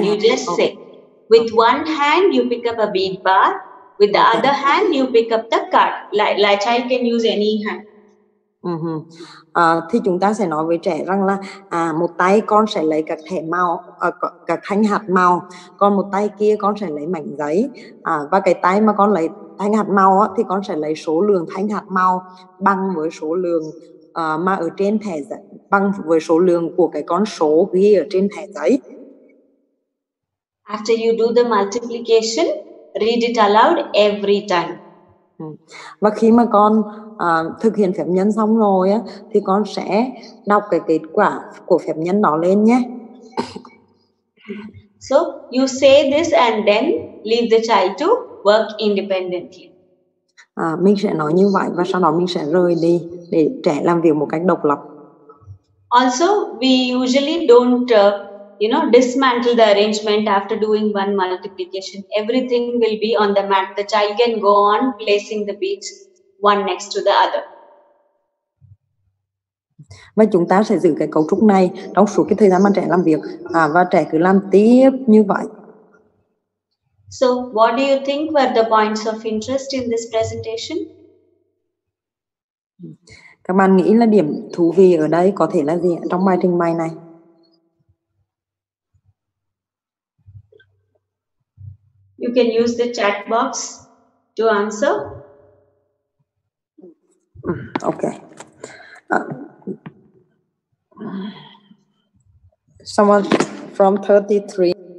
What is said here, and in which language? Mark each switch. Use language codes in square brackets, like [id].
[en] You just say, with one hand you pick up a bead bar, with the other hand you pick up the card. Like child can use any hand. [vi] Thì chúng ta sẽ nói với trẻ rằng là một tay con sẽ lấy các thẻ màu, các thanh hạt màu, còn một tay kia con sẽ lấy mảnh giấy, và cái tay mà con lấy thanh hạt màu thì con sẽ lấy số lượng thanh hạt màu bằng với số lượng mà ở trên thẻ giấy, bằng với số lượng của cái con số ghi ở trên thẻ giấy. [en] After you do the multiplication, read it aloud every time. [vi] Và khi mà con thực hiện phép nhân xong rồi á, thì con sẽ đọc cái kết quả của phép nhân đó lên nhé. [en] So you say this and then leave the child to work independently. [vi] Mình sẽ nói như vậy và sau đó mình sẽ rời đi để trẻ làm việc một cách độc lập. [en] Also, we usually don't, dismantle the arrangement after doing one multiplication. Everything will be on the mat. The child can go on placing the beads one next to the other. [vi] Và chúng ta sẽ giữ cái cấu trúc này trong suốt cái thời gian mà trẻ làm việc và trẻ cứ làm tiếp như vậy. [en] So, what do you think were the points of interest in this presentation? [vi] Các bạn nghĩ là điểm thú vị ở đây có thể là gì trong bài trình bày này? [en] You can use the chat box to answer. Okay. Someone from 33.